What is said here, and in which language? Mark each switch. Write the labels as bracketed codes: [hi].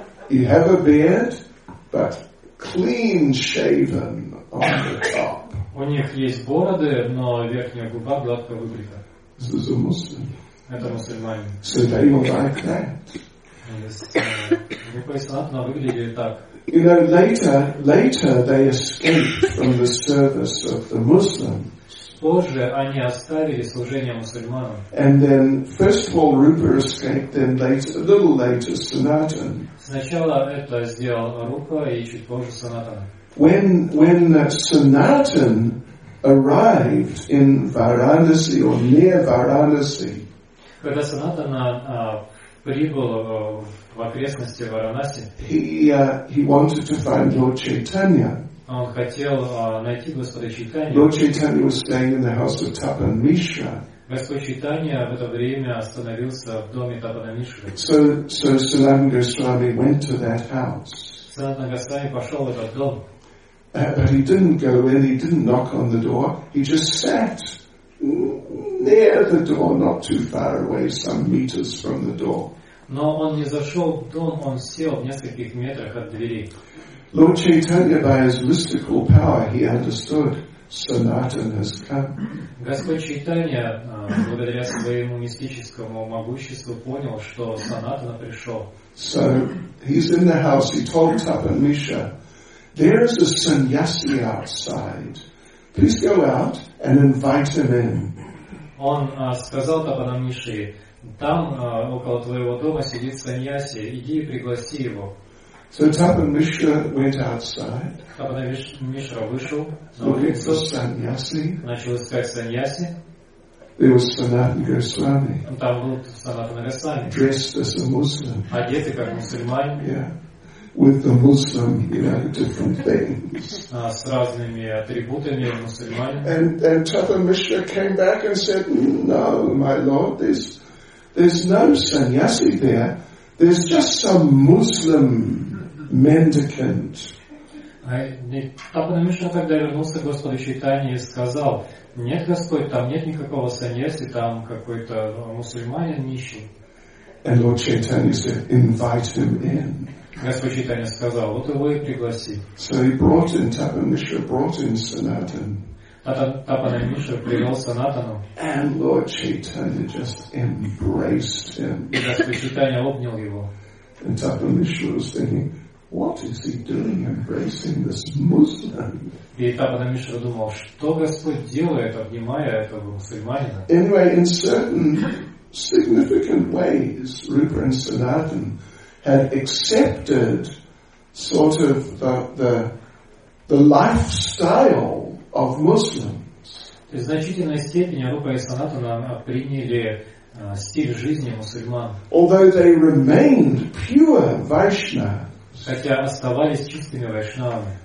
[en] You have a beard, but clean shaven on the top. [ru] У них есть бороды, но верхняя губа гладко выбрита. [en] This is a Muslim. [ru] Это мусульманин. [en] So they will like that. [ru] Они поясняют, но выглядит так. [en] You know, later they escaped from the service of the Muslims. [ru] Позже они оставили служение мусульманам. [en] And then, first of all, Rupa escaped, then later, a little later, Sanatan. [ru] Сначала это сделал Рупа, и чуть позже Санатан. [en] When Sanatan arrived in Varanasi or near Varanasi. [ru] Когда Санатан прибыл в окрестности Варанаси. [en] He wanted to find Lord Chaitanya. [ru] Он хотел найти Господа Чайтанью. [en] Lord Chaitanya was staying in the house of Tapan Mishra. [ru] Господь Чайтанья в это время остановился в доме Тапана Мишры. [en] So Sanatana Goswami went to that house. [ru] Санатана Госвами пошел в этот дом. [en] But he didn't go in, he didn't knock on the door. He just sat near the door, not too far away, some meters from the door. [ru] Но он не зашел в дом, он сел в нескольких метрах от двери. [en] Lord Chaitanya, by his mystical power, he understood Sanatan has come. [ru] Господь Чайтанья, благодаря своему мистическому могуществу, понял, что Санатана пришел. [en] So he's in the house. He told Tapan Mishra, "There is a sannyasi outside. Please go out and invite him in." [ru] Он сказал Тапану Мишре, "Там около твоего дома сидит сannyasi. Иди и пригласи его." [en] So Tapan Mishra went outside. [ru] Tapan Mishra вышел. [en] Looking for sannyasi. [ru] Начал искать sannyasi. [en] There was Sanatana Goswami. [ru] Там был Sanatana Goswami. [en] Dressed as a Muslim. [ru] Одетый как мусульманин. [en] Yeah. With the Muslim, you know, different things. [ru] С разными атрибутами мусульманин. [en] And Tapan Mishra came back and said, "No, my lord, there's no sannyasi there. There's just some Muslim mendicant." [ru] Потому что когда вернулся Господь из Чайтании и сказал, нет, Господь, там нет никакого саньяси, там какой-то мусульманин нищий. [en] And Lord Chaitanya said, invite him in. [ru] Господь Чайтанья сказал, вот его и пригласи. [en] So he brought in Tapanamishra, brought in Sanatan. [ru] Тапанамишра привел Санатану. [en] And Lord Chaitanya just embraced him. [ru] И Господь Чайтанья обнял его. [en] And Tapanamishra was thinking, what is he doing embracing this Muslim? [ru] И Тапанамишра думал, что Господь делает, обнимая этого мусульманина? [en] Anyway, in certain significant ways, Rupa and Sanatan had accepted sort of the lifestyle of Muslims. [ru] В значительной степени Рупа и Санатана приняли стиль жизни мусульман. [en] Although they remained pure Vaishnavas, [ru] хотя оставались чистыми вайшнавами.